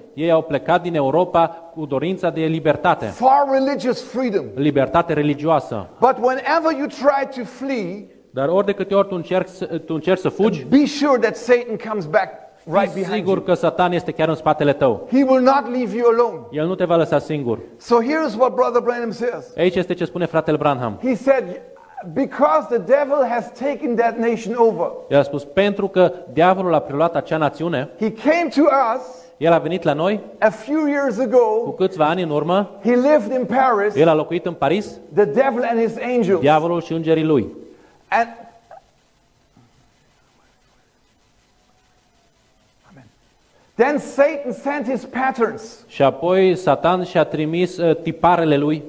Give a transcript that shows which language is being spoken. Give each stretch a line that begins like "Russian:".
Romanian: Ei au plecat din Europa cu dorința de libertate.
English: For religious freedom.
Romanian: Libertate religioasă.
English: But whenever you try to flee.
Romanian: Dar ori de câte ori tu încerci să fugi.
English: Be sure that Satan comes back. Right,
Romanian: sigur că Satan este chiar în spatele tău.
English: He will not leave you alone.
Romanian: El nu te va lăsa singur.
English: So here is what Brother Branham says.
Romanian: Aici este ce spune fratele Branham.
English: He said, because the devil has taken that nation over.
Romanian: El a spus pentru că diavolul a preluat acea națiune.
English: He came to us.
Romanian: El a venit la noi.
English: A few years ago.
Romanian: Cu câțiva ani în urmă.
English: He lived in Paris.
Romanian: El a locuit în Paris.
English: The devil and his angels.
Romanian: Diavolul și îngerii lui.
English: And then Satan sent his patterns.
Romanian: Și apoi Satan și-a trimis tiparele lui.